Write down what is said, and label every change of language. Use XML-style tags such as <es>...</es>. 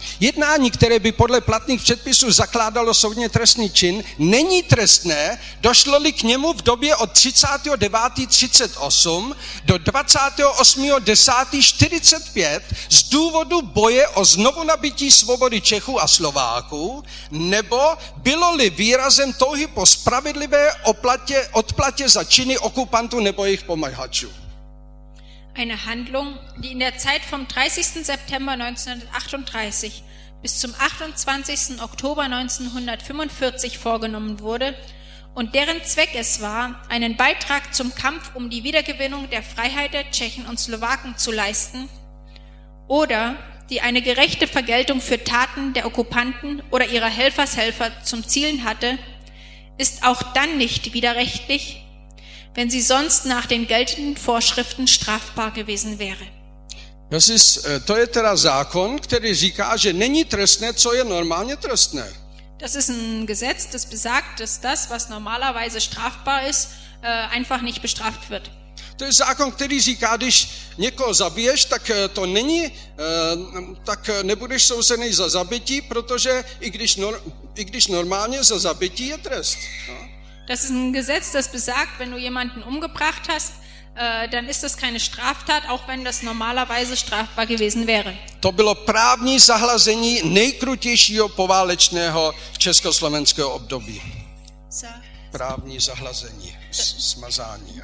<cs>Jednání, které by podle platných předpisů zakládalo soudně trestný čin, není trestné, došlo-li k němu v době od 30.9.38 do 28.10.45 z důvodu boje o znovunabití svobody Čechů a Slováků, nebo bylo-li výrazem touhy po spravedlivé odplatě za činy okupantů nebo jejich pomahačů.</cs> <de>Eine Handlung, die in der Zeit vom 30. September 1938 bis zum 28. Oktober 1945 vorgenommen wurde und deren Zweck es war, einen Beitrag zum Kampf um die Wiedergewinnung der Freiheit der Tschechen und Slowaken zu leisten oder die eine gerechte Vergeltung für Taten der Okkupanten oder ihrer Helfershelfer zum Zielen hatte, ist auch dann nicht widerrechtlich, wenn sie sonst nach den geltenden Vorschriften strafbar gewesen wäre.</de> <cs>To je teda zákon, který říká, že není trestné, co je normálně trestné.</cs> <de>Das ist ein Gesetz, das besagt, dass das, was normalerweise strafbar ist, einfach nicht bestraft wird.</de> <cs>To je zákon, který říká, když někoho zabiješ, tak to není, tak nebudeš souzený za zabití, protože i když normálně za zabití je trest.</cs> <de>Das ist ein Gesetz, das besagt, wenn du jemanden umgebracht hast, dann ist das keine Straftat, auch wenn das normalerweise strafbar gewesen wäre.</de> <cs>To bylo právní zahlazení nejkrutějšího poválečného československého období. Právní zahlazení, smazání.</cs>